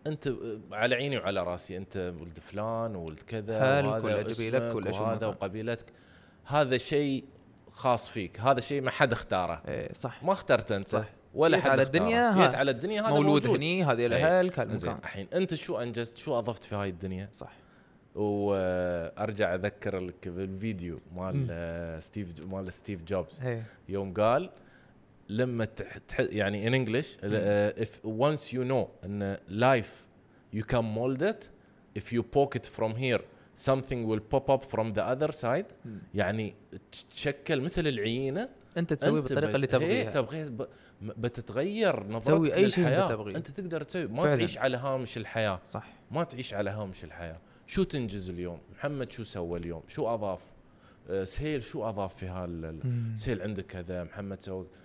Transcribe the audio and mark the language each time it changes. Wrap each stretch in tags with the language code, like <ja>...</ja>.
<ar>انت على عيني وعلى راسي، انت ولد فلان ولد كذا، وهذا وقبيلتك، هذا شيء خاص فيك، هذا شيء ما حد اختاره. ايه صح، ما اخترت انت. صح، ولا حد على الدنيا، جيت على الدنيا هذا مولود هني، هذه الاهل كالمكان. الحين انت شو انجزت، شو اضفت في هاي الدنيا؟ صح. وارجع اذكر لك بالفيديو مال ستيف، مال ستيف جوبز، يوم قال لما يعني</ar> <en>in English if once you know ان life you can mold it if you poke it from here something will pop up from the other side.</en> <ar>يعني تشكل مثل العينة، انت تسوي بالطريقه اللي تبغيها. بتتغير نظرتك للحياه. انت تبغي. انت تقدر تسوي. ما فعلاً. تعيش على هامش الحياه. صح. ما تعيش على هامش الحياه. شو تنجز اليوم؟ محمد شو سوى اليوم؟ شو اضاف؟ سهيل شو اضاف في هال سهيل عندك كذا، محمد سوى.</ar>